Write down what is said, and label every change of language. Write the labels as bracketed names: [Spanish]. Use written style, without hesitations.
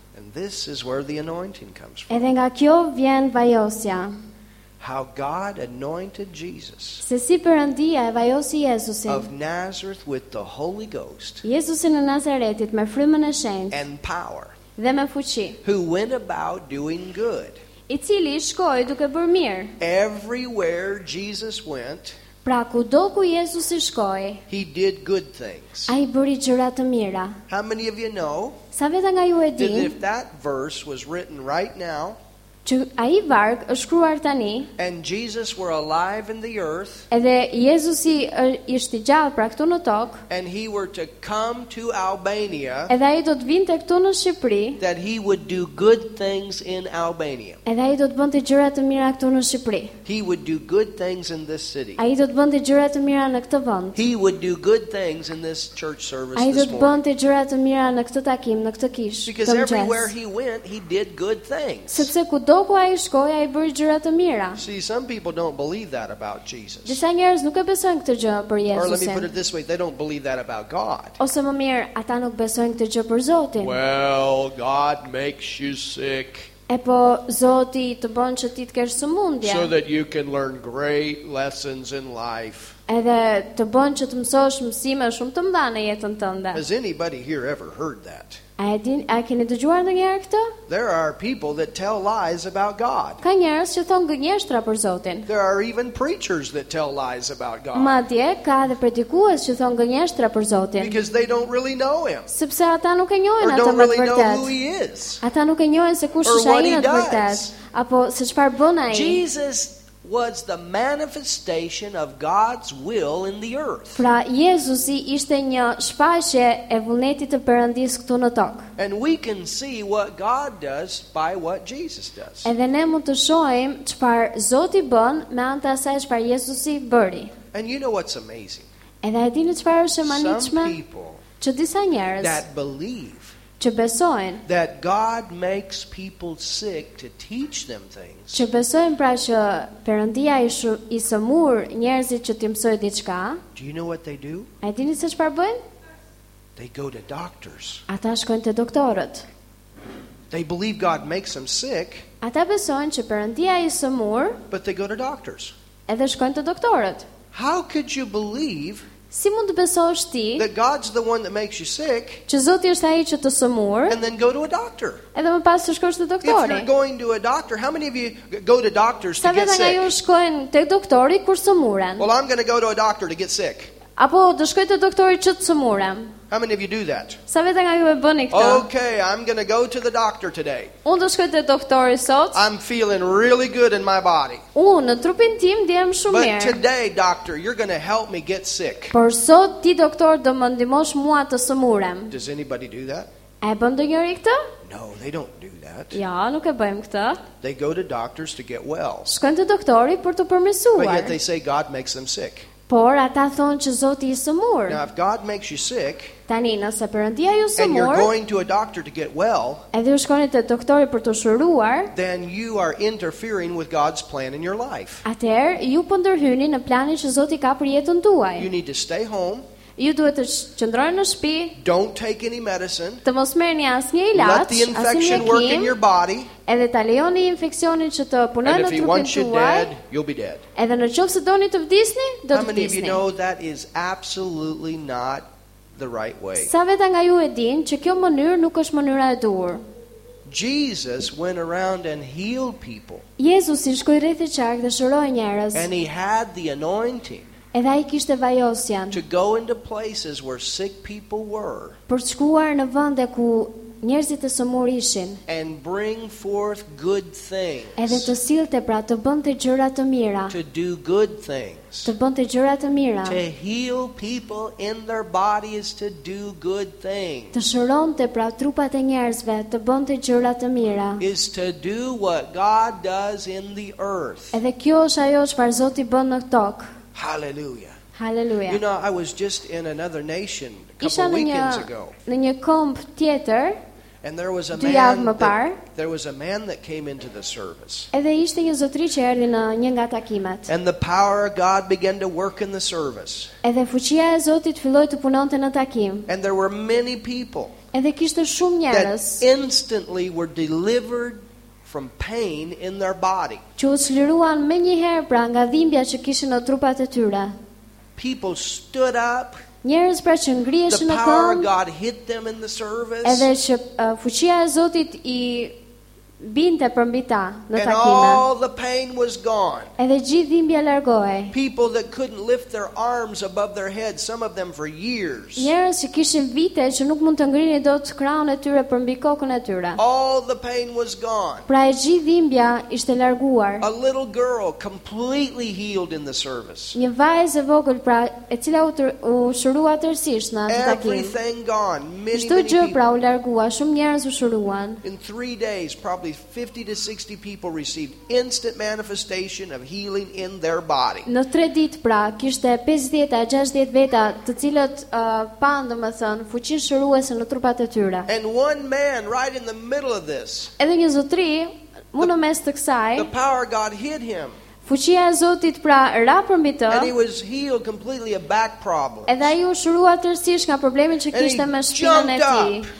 [English] And this is where the anointing comes from. [Albanian] Edhe nga kjo vjen vajosja. [English] How God anointed Jesus. [Albanian] Se si Perëndia e vajosi Jezusin. [English] Of Nazareth with the Holy Ghost. [Albanian] Jezusin në Nazaretit me frymën e shenjtë. [English] And power. [Albanian] Dhe me fuqi. [English] Who went about doing good. [Albanian] I cili shkoi duke bërë mirë. [English] Everywhere Jesus went. [Albanian] Pra kudo ku Jezusi shkoi. [English] He did good things. [Albanian] Ai bëri gjëra të mira. [English] How many of you know? [Albanian] Sa veta nga ju e dini? [English] That if that verse was written right now. [Albanian] Që ai varg është shkruar tani. [English] And Jesus were alive in the earth. [Albanian] Edhe Jezusi ishte gjallë pra këtu në tokë. [English] And he were to come to Albania. [Albanian] Edhe ai do të vinte këtu në Shqipëri. [English] That he would do good things in Albania. [Albanian] Edhe ai do të bënte gjëra të mira këtu në Shqipëri. [English] He would do good things in this city. [Albanian] Ai do të bënte gjëra të mira në këtë vend. [English] He would do good things in this church service. [Albanian] Ai do të bënte gjëra të mira në këtë takim, në këtë kishë. [English] Because everywhere he went, he did good things. [Albanian] Sepse ku do ku ai shkoi ai bëri gjëra të mira. [English] See, some people don't believe that about Jesus. [Albanian] Disa njerëz nuk e besojnë këtë gjë për Jezusin. [English] Or let me put it this way, they don't believe that about God. [Albanian] Ose më mirë, ata nuk besojnë këtë gjë për Zotin. [English] Well, God makes you sick. [Albanian] E po Zoti të bën që ti të kesh sëmundje. [English] So that you can learn great lessons in life. [Albanian] Edhe të bën që të mësosh mësime shumë të mëdha në jetën tënde. [English] Has anybody here ever heard that? [Albanian] A keni dëgjuar ndonjëherë këtë? [English] There are people that tell lies about God. [Albanian] Ka njerëz që thon gënjeshtra për Zotin. [English] There are even preachers that tell lies about God. [Albanian] Madje ka edhe predikues që thon gënjeshtra për Zotin. [English] Because they don't really know him. [Albanian] Sepse ata nuk e njohin atë me të vërtetë. [English] Or don't really know who he is. [Albanian] Ata nuk e njohin se kush është ai në të vërtetë. Apo se çfarë bën ai. [English] Jesus was the manifestation of God's will in the earth. [Albanian] Pra Jezusi ishte një shfaqje e vullnetit të Perëndis këtu në tokë. [English] And we can see what God does by what Jesus does. [Albanian] Edhe ne mund të shohim çfarë Zoti bën me anë të asaj çfarë Jezusi bëri. [English] And you know what's amazing? [Albanian] Edhe e dini çfarë është e mahnitshme? [English] Some people [Albanian] që disa njerëz [English] that believe [Albanian] që besojnë [English] that God makes people sick to teach them things. [Albanian] Që besojnë pra që Perëndia i sëmur njerëzit që t'i mësojë diçka. [English] Do you know what they do? [Albanian] A dini se çfarë bëjnë? [English] They go to doctors. [Albanian] Ata shkojnë te doktorët. [English] They believe God makes them sick. [Albanian] Ata besojnë që Perëndia i sëmur. [English] But they go to doctors. [Albanian] Edhe shkojnë te doktorët. [English] How could you believe? [Albanian] Si mund të besosh ti? [English] That God's the one that makes you sick. [Albanian] Që Zoti është ai që të sëmur. [English] And then go to a doctor. [Albanian] Edhe më pas të shkosh te doktori. [English] If you're going to a doctor, how many of you go to doctors to get sick? [Albanian] Sa vetë ne shkojmë tek doktori kur sëmuren. [English] Well, I'm going to go to a doctor to get sick. [Albanian] Apo do shkoj te doktori që të sëmurem. [English] How many of you do that? [Albanian] Sa vetë nga ju e bëni këtë? [English] Okay, I'm going to go to the doctor today. [Albanian] Unë do shkoj te doktori sot. [English] I'm feeling really good in my body. [Albanian] Unë në trupin tim ndjehem shumë mirë. [English] But today, doctor, you're going to help me get sick. [Albanian] Por sot ti doktor do më ndihmosh mua të sëmurem. [English] Does anybody do that? [Albanian] A bën ndonjëri këtë? [English] No, they don't do that. [Albanian] Ja, nuk e bëjmë këtë. [English] They go to doctors to get well. [Albanian] Shkojnë te doktori për të përmirësuar. [English] But yet they say God makes them sick. [Albanian] Por ata thonë që Zoti i sëmur. [English] Now, if God makes you sick, [Albanian] tani, nëse Perëndia ju sëmur, [English] and you're going to a doctor to get well, [Albanian] edhe ju shkoni te doktori për të shëruar, [English] then you are interfering with God's plan in your life. [Albanian] Atëherë, ju po ndërhyni në planin që Zoti ka për jetën tuaj. [English] You need to stay home. [Albanian] Ju duhet të qëndroni në shtëpi. [English] Don't take any medicine. [Albanian] Të mos merrni asnjë ilaç. [English] Let the infection work in your body. [Albanian] Edhe ta lejoni infeksionin që të punojë në trupin tuaj. [English] If you want you dead, you'll be dead. [Albanian] Edhe në qoftë se doni të vdisni, do të vdisni. [English] How many of you know that is absolutely not the right way? [Albanian] Sa vetë nga ju e dinë që kjo mënyrë nuk është mënyra e duhur. [English] Jesus went around and healed people. [Albanian] Jezusi shkoi rreth e qark dhe shëroi njerëz. [English] And he had the anointing. [Albanian] Edhe ai kishte vajosjen. [English] To go into places where sick people were. [Albanian] Për të shkuar në vende ku njerëzit e sëmur ishin. [English] And bring forth good things. [Albanian] Edhe të sillte pra të bënte gjëra të mira. [English] To do good things. [Albanian] Të bënte gjëra të mira. [English] To heal people in their bodies to do good things. [Albanian] Të shëronte pra trupat e njerëzve të bënte gjëra të mira. [English] Is to do what God does in the earth. [Albanian] Edhe kjo është ajo çfarë Zoti bën në tokë. [English] Hallelujah. [Albanian] Hallelujah. [English] You know, I was just in another nation a couple weekends ago. [Albanian] Në një komb tjetër. [English] And there was a [Albanian] dy [English] man [Albanian] më par, [English] that, there was a man that came into the service. [Albanian] Edhe ishte një zotëri që erdhi në një nga takimet. [English] And the power of God began to work in the service. [Albanian] Edhe fuqia e Zotit filloi të punonte në takim. [English] And there were many people. [Albanian] Edhe kishte shumë njerëz. [English] That instantly were delivered from pain in their body. [Albanian] Qo çliruan më një herë pra nga dhimbja që kishin në trupat e tyre. [English] People stood up. [Albanian] Njerëz pra që ngriheshin në këmbë. [English] The power of God hit them in the service. [Albanian] Edhe që fuqia e Zotit i binte përmbi ta në takime. [English] And all the pain was gone. [Albanian] Edhe gjithë dhimbja largohej. [English] People that couldn't lift their arms above their head, some of them for years. [Albanian] Njerëz që kishin vite që nuk mund të ngrihnin dot krahun e tyre përmbi kokën e tyre. [English] All the pain was gone. [Albanian] Pra e gjithë dhimbja ishte larguar. [English] A little girl completely healed in the service. [Albanian] Një vajzë e vogël pra e cila u shërua tërësisht në atë takim. [English] Everything gone. Many, [Albanian] shtu gjë pra u largua, shumë njerëz u shëruan. [English] In 3 days probably 50 to 60 people received instant manifestation of healing in their body. [Albanian] Në 3 ditë pra kishte 50 a 60 veta të cilët pan domethën fuqinë shëruese në trupat e tyre. [English] And one man right in the middle of this. [Albanian] Edhe një zotëri në mes të kësaj. [English] The power of God hit him. [Albanian] Fuqia e Zotit pra ra përmbi të. [English] And he was healed completely of back problems. [Albanian] Edhe ai u shërua tërësisht nga problemi që kishte me shpinën e tij.